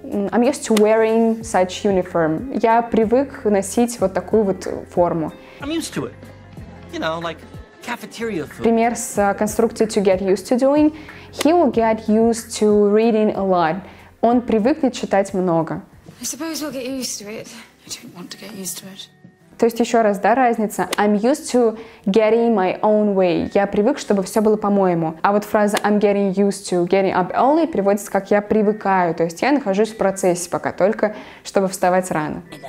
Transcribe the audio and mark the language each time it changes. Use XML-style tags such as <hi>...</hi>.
<en>I'm used to wearing such uniform.</en> <ru>Я привык носить вот такую вот форму.</ru> <en>I'm used to it. You know, like cafeteria food.</en> <ru>Пример с конструкцией</ru> <en>to get used to doing. He will get used to reading a lot.</en> <ru>Он привыкнет читать много.</ru> <en>I suppose we'll get used to it. I don't want to get used to it.</en> <ru>То есть еще раз, да, разница?</ru> <en>I'm used to getting my own way.</en> <ru>Я привык, чтобы все было по-моему. А вот фраза</ru> <en>I'm getting used to getting up early</en> <ru>переводится как я привыкаю. То есть я нахожусь в процессе пока только, чтобы вставать рано.</ru>